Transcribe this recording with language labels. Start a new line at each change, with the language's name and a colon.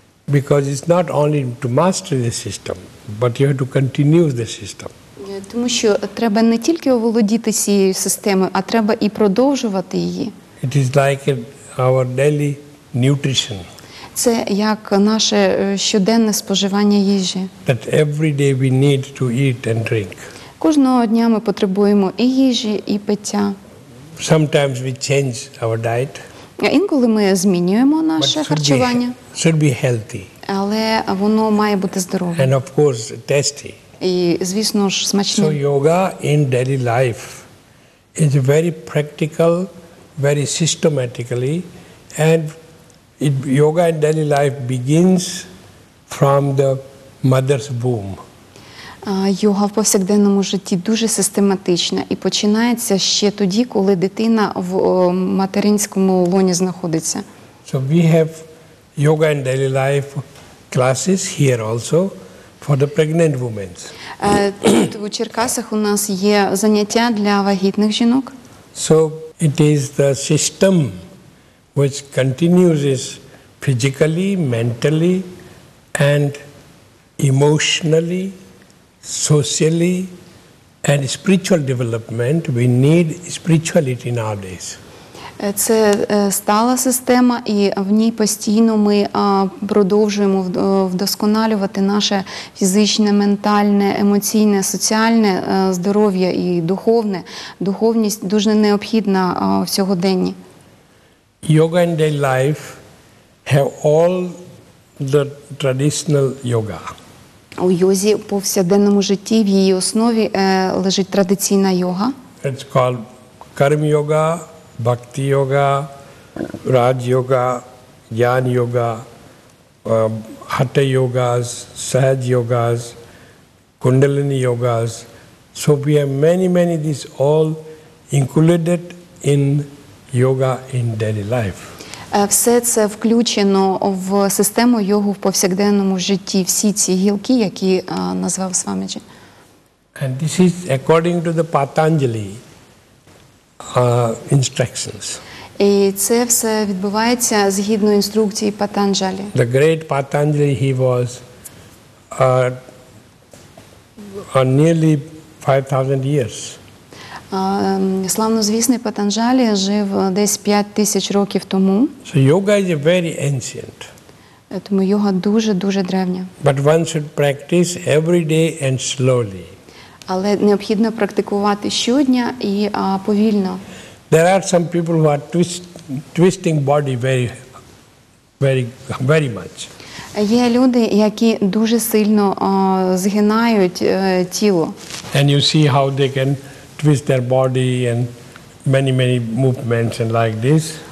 English: Because it's not only to master the system, but you have to continue the system.
Ukrainian: Тому що треба не тільки оволодіти цією системою, а треба і продовжувати її.
English: It is like our daily nutrition.
Ukrainian: Це як наше щоденне споживання їжі.
English: That every day we need to eat and drink.
Ukrainian: Кожного дня ми потребуємо і їжі, і пиття.
English: Sometimes we change our diet.
Ukrainian: Інколи ми змінюємо наше харчування.
English: It should be healthy.
Ukrainian: Але воно має бути здорове.
English: And of course, tasty.
Ukrainian: І, звісно ж, смачний.
English: So yoga in daily life is very practical, very systematically, and yoga in daily life begins from the mother's womb.
Ukrainian: Йога в повсякденному житті дуже систематична і починається ще тоді, коли дитина в материнському лоні знаходиться.
English: So we have yoga in daily life classes here also. For the pregnant women.
Ukrainian: У Черкасах у нас є заняття для вагітних жінок.
English: So it is the system which continues physically, mentally and emotionally, socially and spiritual development. We need spirituality nowadays.
Ukrainian: Це стала система, і в ній постійно ми продовжуємо вдосконалювати наше фізичне, ментальне, емоційне, соціальне здоров'я і духовне. Духовність дуже необхідна в сьогоденні.
English: Yoga and daily life have all the traditional yoga.
Ukrainian: У йозі в повсякденному житті в її основі лежить традиційна йога.
English: It's called karma yoga, bhakti yoga, raj yoga, jnana yoga, hatha yogas, sahaja yogas, kundalini yogas. So we have many these all included in yoga in daily life.
Ukrainian: Все це включено в систему йоги в повсякденному житті, всі ці гілки, які назвав Свамиджі.
English: And this is according to the Patanjali instructions.
Ukrainian: І це все відбувається згідно інструкції Патанджалі.
English: The great Patanjali, he was nearly 5000 years.
Ukrainian: Славнозвісний Патанджалі жив десь 5000 років тому.
English: So yoga is very ancient.
Ukrainian: Тому йога дуже древня.
English: But one should practice every day and slowly.
Ukrainian: Але необхідно практикувати щодня і повільно.
English: There are some people who are twisting body very much.
Ukrainian: Є люди, які дуже сильно згинають тіло.
English: And you see how they can twist their body and many movements and like this.